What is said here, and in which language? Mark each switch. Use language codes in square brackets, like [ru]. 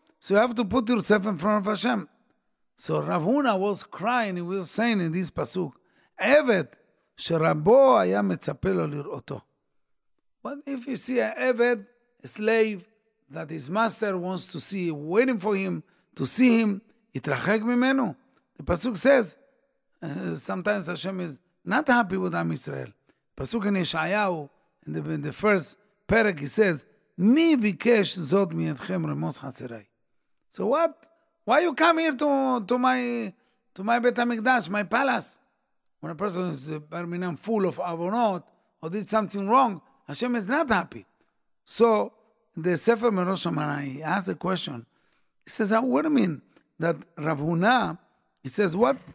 [en] So you have to put yourself in front of Hashem. So Rav Huna was crying, he was saying in this Pasuk, Evet, [he] שרבו היה מצפה לו לראותו. [en] But if you see an Eved, a slave, that his master wants to see, waiting for him, to see him, [he] יתרחק ממנו. [en] The Pasuk says, sometimes Hashem is not happy with Am Yisrael. Pasuk in Yeshayahu, in the first perek, he says, [he] מי ביקש זאת מידכם רמוס חצרי? [en] So what? Why you come here to my Bet HaMikdash, my palace? When a person is Barminam full of avonot or did something wrong, Hashem is not happy. So the Sefer Merosh Amana, he asks a question. He says, what do you mean that Rav Huna, he says, what?